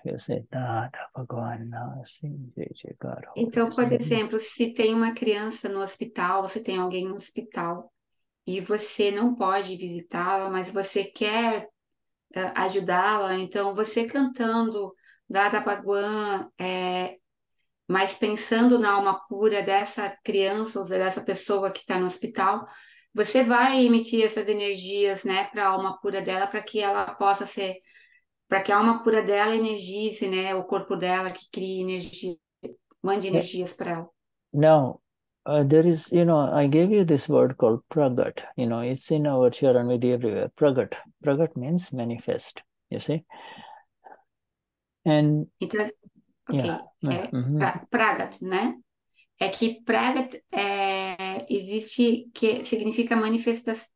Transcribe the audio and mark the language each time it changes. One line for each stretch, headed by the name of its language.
English: You say, Dada Bhagwan Na Aseem, Jai Jagar
Portuguese: Então, por Ho. exemplo, se tem uma criança no hospital, se tem alguém no hospital e você não pode visitá-la, mas você quer ajudá-la, então você cantando Dada Bhagwan, mas pensando na alma pura dessa criança ou dessa pessoa que está no hospital, você vai emitir essas energias, né, para a alma pura dela, para que ela possa ser, para que a alma pura dela energize, né, o corpo dela, que crie energia. Mande energias para ela.
English: Now, there is, you know, I gave you this word called pragat. You know, it's in our Charanvidhi everywhere. Pragat. Pragat means manifest, you see. And,
Portuguese: Então,
English: yeah.
Portuguese: ok. É pragat, né? É que pragat existe, que significa manifestação.